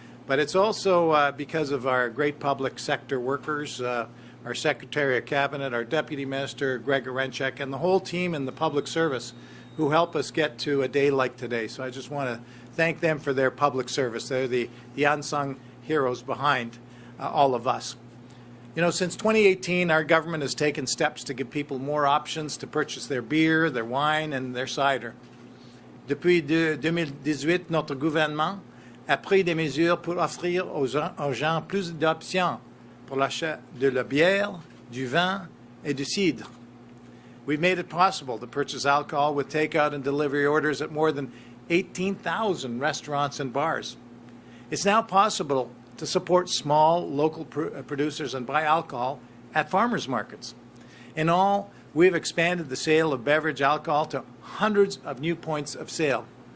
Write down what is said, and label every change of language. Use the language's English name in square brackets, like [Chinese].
[English] But it's also because of our great public sector workers, our Secretary of Cabinet, our Deputy Minister, Greg Arenchek, and the whole team in the public service who help us get to a day like today. So I just want to thank them for their public service. They're the unsung heroes behind all of us. You know, since 2018, our government has taken steps to give people more options to purchase their beer, their wine, and their cider. [French] Depuis 2018, notre gouvernement a pris des mesures pour offrir aux gens plus d'options pour l'achat de la bière, du vin et du cidre. [English] We've made it possible to purchase alcohol with takeout and delivery orders at more than 18,000 restaurants and bars. It's now possible to support small local producers and buy alcohol at farmers markets. In all, we have expanded the sale of beverage alcohol to hundreds of new points of sale.